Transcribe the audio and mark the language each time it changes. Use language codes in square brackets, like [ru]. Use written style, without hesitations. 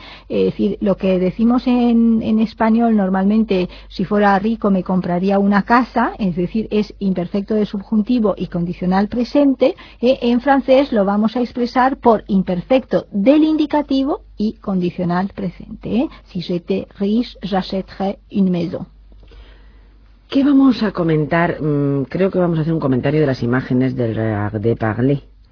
[es] Es decir, lo que decimos en español normalmente, si fuera rico me compraría una casa, es decir, es imperfecto de subjuntivo y condicional presente. En francés lo vamos a expresar por imperfecto del indicativo y condicional presente. [fr] Si j'étais riche, j'achèterais une maison. [es] ¿Qué vamos a comentar? Creo que vamos a hacer un comentario de las imágenes del Art de Parler.